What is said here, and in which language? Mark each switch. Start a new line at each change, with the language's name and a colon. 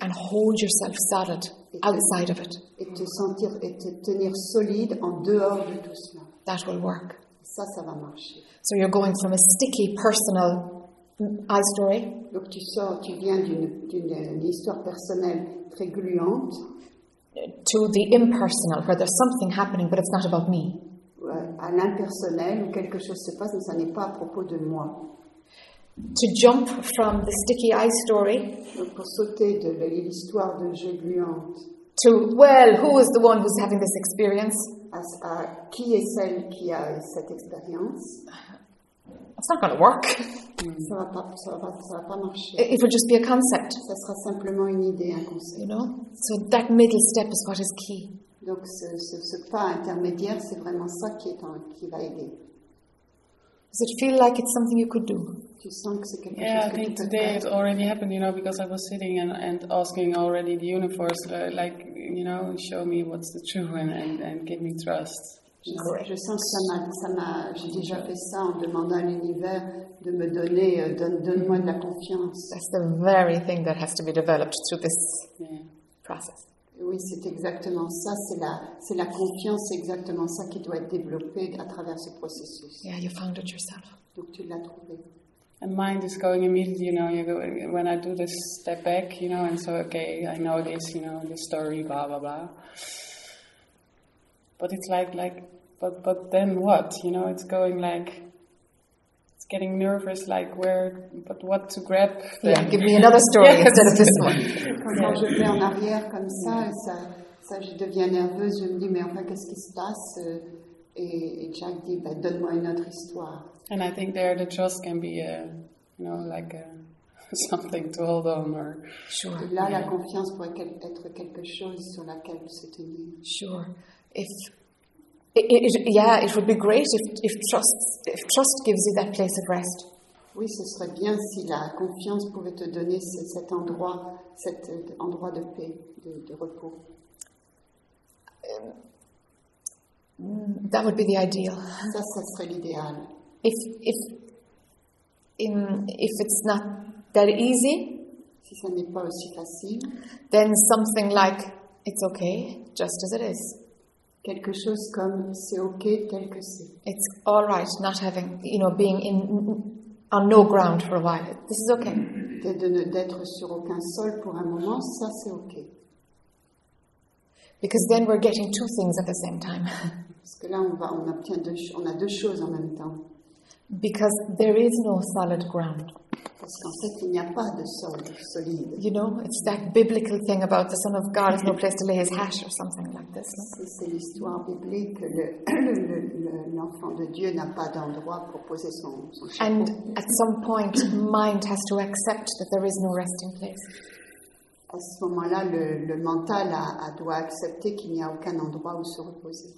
English: And hold yourself solid outside of it.
French: Et te sentir et te tenir solide en dehors de tout cela.
English: That will work.
French: Ça va marcher.
English: So you're going from a sticky personal I story.
French: Donc tu viens d'une histoire personnelle très gluante.
English: To the impersonal, where there's something happening, but it's not about me.
French: À l'impersonnel, où quelque chose se passe, mais ça n'est pas à propos de moi.
English: To jump from the sticky eye story.
French: Donc pour sauter de l'histoire de jeu gluante.
English: To, well, who is the one who's having this experience?
French: À qui est celle qui a cette expérience?
English: It's not going to work.
French: Ça va pas marcher.
English: It will just be a concept.
French: Ça sera simplement une idée, un concept.
English: You know? So that middle step is what is key.
French: Donc ce pas intermédiaire, c'est vraiment ça qui va aider.
English: Does it feel like it's something you could do?
French: Tu sens que c'est quelque
English: yeah,
French: chose
English: I think
French: que tu
English: today
French: peux
English: it already happened, you know, because I was sitting and asking already the universe, like, you know, show me what's the truth and give me trust.
French: Je sens que ça m'a j'ai déjà fait ça en demandant à l'univers de me donner, donne-moi de la confiance.
English: That's the very thing that has to be developed through this process.
French: Oui, c'est exactement ça, c'est la confiance, c'est exactement ça qui doit être développé à travers ce processus.
English: Yeah, you found it yourself.
French: Donc tu l'as trouvé.
English: And mind is going immediately, you know, you go, when I do this step back, you know, and so, okay, I know this, you know, this story, blah, blah, blah. But it's like, but then what? You know, it's going like, it's getting nervous, like where, but what to grab? Then? Yeah, give me another story yes. Instead of this one.
French: Quand je vais en arrière comme ça, ça je deviens nerveuse, je me dis, mais enfin, qu'est-ce qui se passe? Et Jack dit, ben, donne-moi une autre histoire.
English: And I think there the trust can be, you know, like something to hold on or... Sure.
French: Et là, la confiance pourrait être quelque chose sur laquelle se tenir.
English: Sure. It would be great if trust gives you that place of rest.
French: Oui, ce serait bien si la confiance pouvait te donner cet endroit de paix, de repos.
English: That would be the ideal.
French: Ça serait l'idéal.
English: If it's not that easy,
French: si ça n'est pas aussi facile,
English: then something like it's okay, just as it is.
French: Quelque chose comme c'est ok tel que c'est.
English: It's all right not having, you know, being in on no ground for a while. This is okay.
French: D'être sur aucun sol pour un moment, ça c'est ok.
English: Because then we're getting two things at the same time.
French: Parce que là on a deux choses en même temps.
English: Because there is no solid ground.
French: Parce qu'en fait, il n'y a pas de sol solide.
English: You know, it's that biblical thing about the Son of God has no place to lay his hat or something like this.
French: C'est l'histoire biblique, l'enfant de Dieu n'a pas d'endroit pour poser son chapeau.
English: And at some point, mind has to accept that there is no resting place.
French: À ce moment-là, le mental doit accepter qu'il n'y a aucun endroit où se reposer.